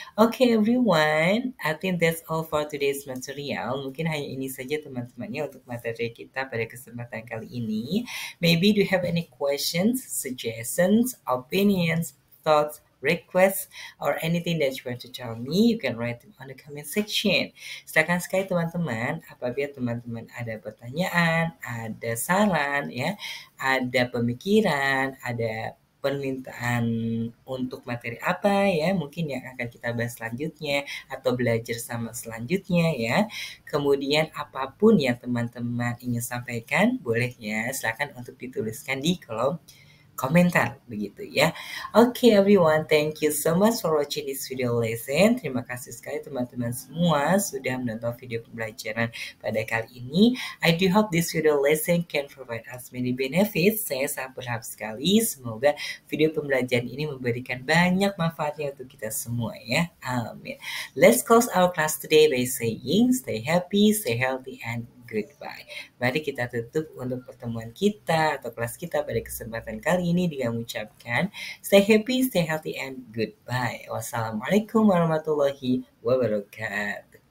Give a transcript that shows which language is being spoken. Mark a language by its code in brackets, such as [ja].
[en] Okay everyone, I think that's all for today's material. [id] Mungkin hanya ini saja teman-temannya untuk materi kita pada kesempatan kali ini. [en] Maybe do you have any questions, suggestions, opinions, thoughts, requests, or anything that you want to tell me, you can write them on the comment section. [id] Silakan sekali teman-teman, apabila teman-teman ada pertanyaan, ada saran ya, ada pemikiran, ada permintaan untuk materi apa ya, mungkin yang akan kita bahas selanjutnya atau belajar sama selanjutnya ya. Kemudian apapun yang teman-teman ingin sampaikan, boleh ya, silakan untuk dituliskan di kolom komentar begitu ya. [en] Okay everyone, thank you so much for watching this video lesson. [id] Terima kasih sekali teman-teman semua sudah menonton video pembelajaran pada kali ini. [en] I do hope this video lesson can provide us many benefits. [id] Saya sangat berharap sekali semoga video pembelajaran ini memberikan banyak manfaatnya untuk kita semua ya. Amin. [en] Let's close our class today by saying stay happy, stay healthy, and goodbye. [id] Mari kita tutup untuk pertemuan kita atau kelas kita pada kesempatan kali ini dengan mengucapkan [en] stay happy, stay healthy, and goodbye. [id] Wassalamualaikum warahmatullahi wabarakatuh.